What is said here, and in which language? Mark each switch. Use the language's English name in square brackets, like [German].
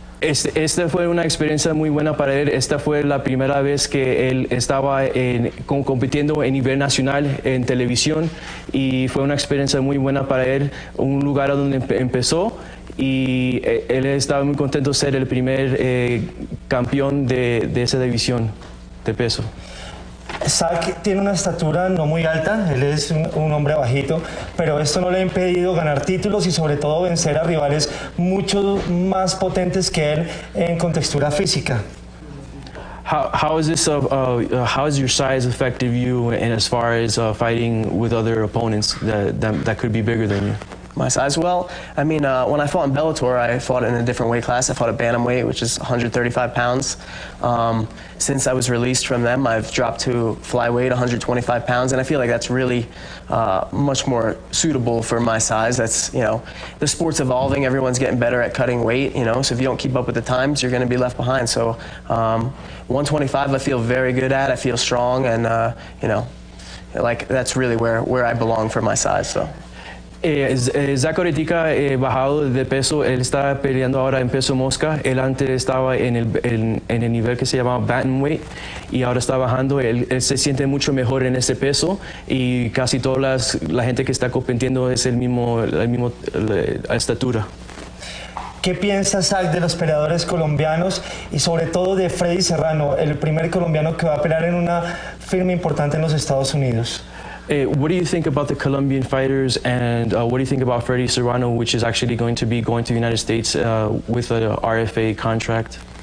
[Spanish] Esta fue una experiencia muy buena para él. Esta fue la primera vez que él estaba compitiendo en nivel nacional en televisión, y fue una experiencia muy buena para él, un lugar donde empezó, y él estaba muy contento de ser el primer campeón de esa división de peso. Zach tiene una estatura no muy alta, él es un hombre bajito, pero esto no le ha impedido ganar títulos y sobre todo vencer a rivales mucho más potentes que él en contextura física. [English] How has your size affected you in as far as fighting with other opponents that could be bigger than you? My size, well, I mean, when I fought in Bellator, I fought in a different weight class. I fought at bantamweight, which is 135 pounds. Since I was released from them, I've dropped to flyweight, 125 pounds, and I feel like that's really much more suitable for my size. That's, you know, the sport's evolving, everyone's getting better at cutting weight, you know, so if you don't keep up with the times, you're going to be left behind. So 125 I feel very good at, I feel strong, and, you know, like, that's really where I belong for my size, so. [Spanish] Zach Oretica bajado de peso, él está peleando ahora en peso mosca. Él antes estaba en el nivel que se llamaba bantamweight, y ahora está bajando. Él se siente mucho mejor en ese peso, y casi toda la gente que está compitiendo es el mismo la estatura. ¿Qué piensa Zach de los peleadores colombianos y sobre todo de Freddy Serrano, el primer colombiano que va a pelear en una firma importante en los Estados Unidos? [English] What do you think about the Colombian fighters and what do you think about Freddy Serrano, which is actually going to be going to the United States with a RFA contract?